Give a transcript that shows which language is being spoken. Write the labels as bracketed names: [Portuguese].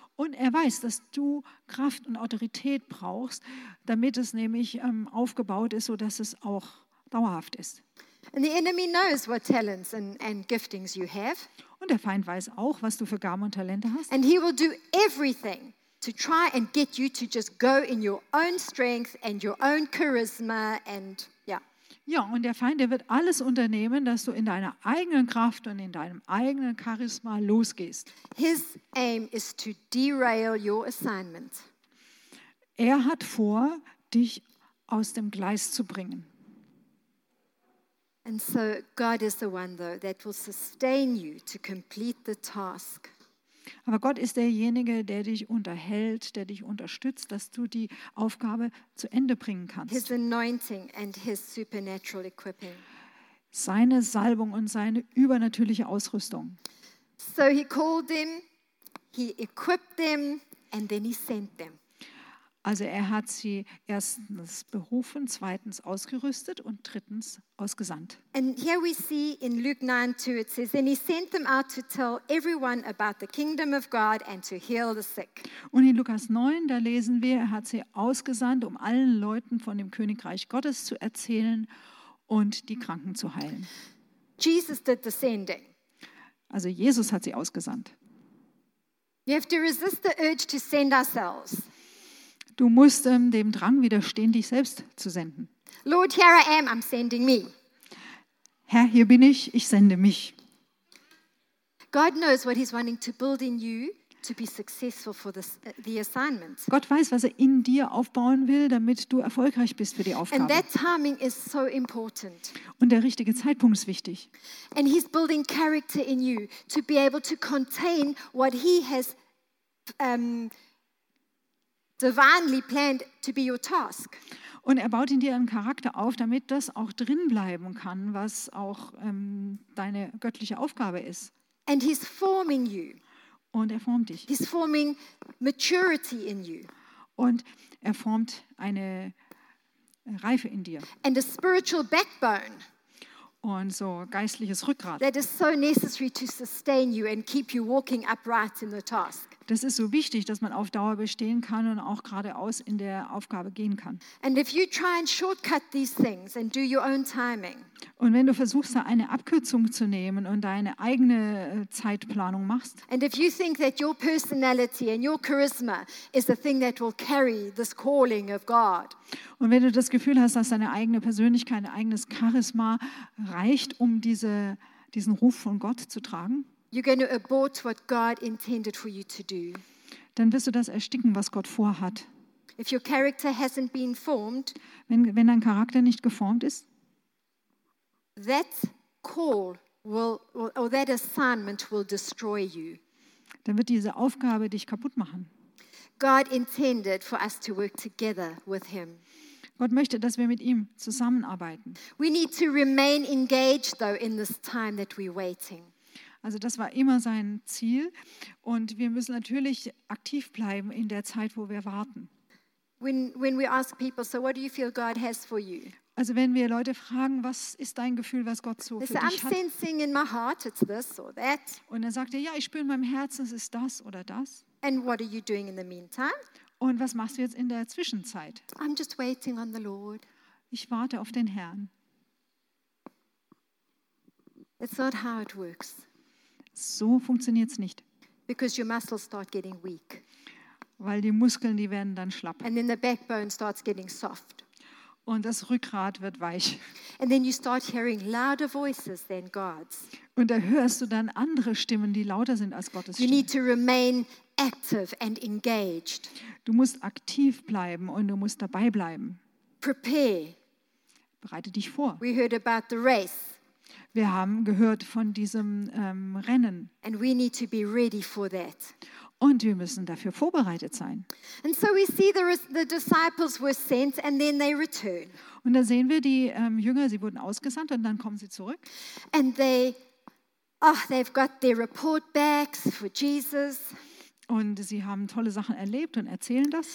[German] Und er weiß, dass du Kraft und Autorität brauchst, damit es nämlich aufgebaut ist, sodass es auch dauerhaft ist. [English] And the enemy knows what talents and giftings you have. [German] Und der Feind weiß auch, was du für Gaben und Talente hast. [English] And he will do everything to try and get you to just go in your own strength and your own charisma and yeah. [German] Ja, und der Feind, der wird alles unternehmen, dass du in deiner eigenen Kraft und in deinem eigenen Charisma losgehst. [English] His aim is to derail your assignment. [German] Er hat vor, dich aus dem Gleis zu bringen. [English] And so God is the one though that will sustain you to complete the task. [German] Aber Gott ist derjenige, der dich unterhält, der dich unterstützt, dass du die Aufgabe zu Ende bringen kannst. [English] His anointing and his supernatural equipping. [German] Seine Salbung und seine übernatürliche Ausrüstung. [English] So he called them, he equipped them and then he sent them. [German] Also er hat sie erstens berufen, zweitens ausgerüstet und drittens ausgesandt. [English] And here we see in Luke 9:2 it says, and he sent them out to tell everyone about the kingdom of God and to heal the sick. [German] Und in Lukas 9, da lesen wir, er hat sie ausgesandt, um allen Leuten von dem Königreich Gottes zu erzählen und die Kranken zu heilen. [English] Jesus did the sending. [German] Also Jesus hat sie ausgesandt. [English] We have to resist the urge to send ourselves. [German] Du musst dem Drang widerstehen, dich selbst zu senden. [English] Lord, here I am, I'm sending me. [German] Herr, hier bin ich, ich sende mich. [English] God knows what he's wanting to build in you to be successful for the assignment. [German] Gott weiß, was er in dir aufbauen will, damit du erfolgreich bist für die Aufgabe. [English] And that timing is so important. [German] Und der richtige Zeitpunkt ist wichtig. [English] And he's building character in you to be able to contain what he has divinely planned to be your task. [German] Und er baut in dir einen Charakter auf, damit das auch drin bleiben kann, was auch deine göttliche Aufgabe ist. [English] And he's forming you. [German] Und er formt dich. [English] He's forming maturity in you. [German] Und er formt eine Reife in dir. [English] And a spiritual backbone. [German] Und so geistliches Rückgrat. [English] That is so necessary to sustain you and keep you walking upright in the task. [German] Das ist so wichtig, dass man auf Dauer bestehen kann und auch geradeaus in der Aufgabe gehen kann. [English] And if you try and shortcut these things and do your own timing. [German] Und wenn du versuchst, da eine Abkürzung zu nehmen und deine eigene Zeitplanung machst. [English] And if you think that your personality and your charisma is the thing that will carry this calling of God. [German] Und wenn du das Gefühl hast, dass deine eigene Persönlichkeit, dein eigenes Charisma reicht, um diesen Ruf von Gott zu tragen. [English] You're going to abort what God intended for you to do. [German] Dann wirst du das ersticken, was Gott vorhat. [English] If your character hasn't been formed, [German] wenn dein Charakter nicht geformt ist, [English] that call will or that assignment will destroy you. [German] Dann wird diese Aufgabe dich kaputt machen. [English] God intended for us to work together with him. [German] Gott möchte, dass wir mit ihm zusammenarbeiten. [English] We need to remain engaged though in this time that we're waiting. [German] Also das war immer sein Ziel und wir müssen natürlich aktiv bleiben in der Zeit, wo wir warten. [English] When we ask people, so what do you feel God has for you? [German] Also wenn wir Leute fragen, was ist dein Gefühl, was Gott so für dich hat? [English] I'm sensing in my heart, it's this or that. [German] Und er sagt dir, ja, ich spüre in meinem Herzen, es ist das oder das. [English] And what are you doing in the meantime? [German] Und was machst du jetzt in der Zwischenzeit? [English] I'm just waiting on the Lord. [German] Ich warte auf den Herrn. [English] It's not how it works. [German] So funktioniert's nicht. [English] Because your muscles start getting weak. [German] Weil die Muskeln, die werden dann schlapp. [English] And then the backbone starts getting soft. [German] Und das Rückgrat wird weich. [English] And then you start hearing louder voices than God's. [German] Und da hörst du dann andere Stimmen, die lauter sind als Gottes [English] you [German] Stimme. [English] Need to remain active and engaged. [German] Du musst aktiv bleiben und du musst dabei bleiben. [English] Prepare. [German] Bereite dich vor. [English] We heard about the race. [German] Wir haben gehört von diesem Rennen. [English] And we need to be ready for that. [German] Und wir müssen dafür vorbereitet sein. [English] And so we see the disciples were sent and then they return. [German] Und da sehen wir die Jünger, sie wurden ausgesandt und dann kommen sie zurück. [English] And they, oh, they've got their report backs for Jesus. [German] Und sie haben tolle Sachen erlebt und erzählen das.